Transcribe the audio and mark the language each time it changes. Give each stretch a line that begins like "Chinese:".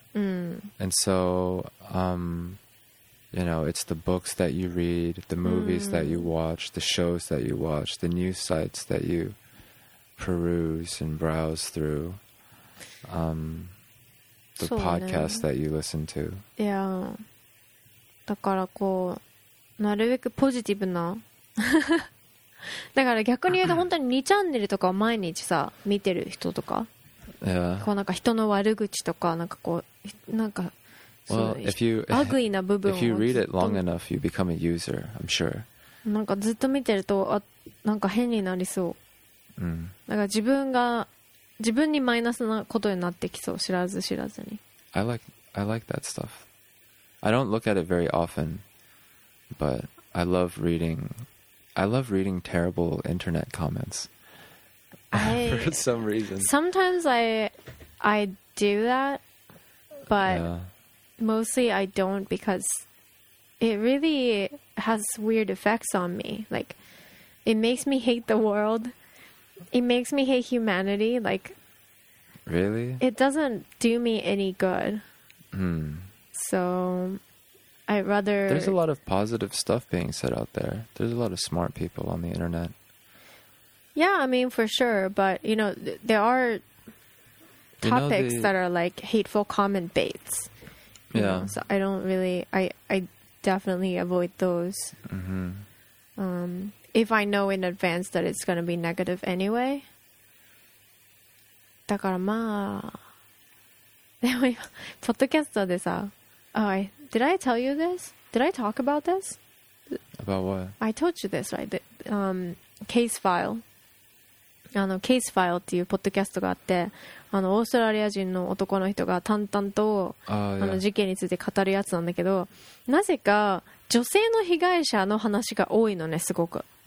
English: And so, you know, it's the books that you read, the movies that you watch, the shows that you watch, the news sites that you peruse and browse through, the podcasts that you listen to. Yeah.
Japanese: だからこうなるべくポジティブなだから逆に言うと本当に2チャンネルとかを毎日さ見てる人とか、
English: yeah.
Japanese: こうなんか人の悪口とかなんかこうなんか
English: well,
Japanese: アグイな部分
English: を if you read it long enough, you become a user, I'm sure.
Japanese: なんかずっと見てるとあなんか変になりそう、だから自分にマイナスなことになってきそう、知らず知らずに。
English: I like that stuff. I don't look at it very often. But I love reading terrible internet comments for some reason. Sometimes I do that, but mostly I don't because it really has weird effects on me. Like, it makes me hate the world. It makes me hate humanity. Like, really? It doesn't do me any good. So... I'd rather... There's a lot of positive stuff being said out there. There's a lot of smart people on the internet. Yeah, I mean, for sure. But, you know, there are topics that are like hateful comment baits. Yeah. So I don't really... I definitely avoid those. If I know in advance that it's going to be negative anyway.
Japanese: だからまあ... でも今、ポッドキャストでさ...
English: Oh, did I tell you this? Did I talk about this? About what? I told you this, right? Case File.
Japanese: Case File っていうポッドキャストがあって、オーストラリア人の男の人が淡々と、事件について語るやつなんだけど、なぜか女性の被害者の話が多いのね、すごく。